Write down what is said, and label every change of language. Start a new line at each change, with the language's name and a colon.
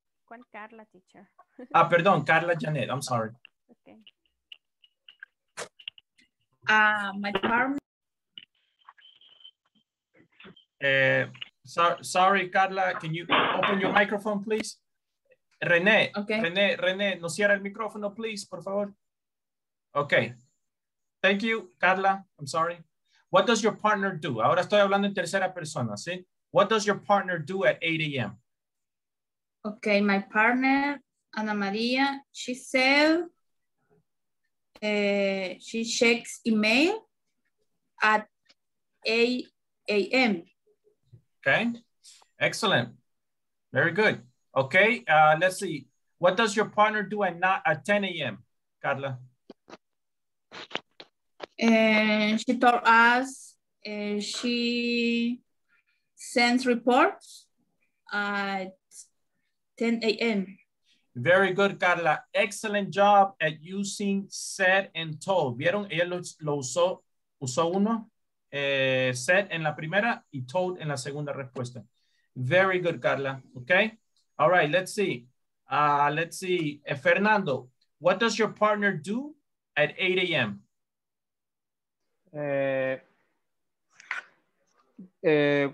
Spanish: ¿Cuál Carla,
English: teacher?
Spanish: Ah, perdón, Carla Janet.
English: I'm sorry. Okay. My partner. Sorry, Carla, can you open your microphone, please? René, okay.
Spanish: René, no cierra el micrófono,
English: please,
Spanish: por favor.
English: Okay. Thank you, Carla. I'm sorry. What does your partner do?
Spanish: Ahora estoy hablando en tercera persona, ¿sí?
English: What does your partner do at 8 a.m.? Okay, my partner, Ana María, she said she checks email at 8 a.m. Okay, excellent. Very good. Okay, let's see. What does your partner do at 10 a.m., Carla? She told us she sends reports at 10 a.m. Very good, Carla. Excellent job at using said and told.
Spanish: ¿Vieron? Ella lo usó uno. Said en la primera y told en la segunda respuesta.
English: Very good, Carla. Okay. All right. Let's see. Fernando, what does your partner do at 8 a.m.?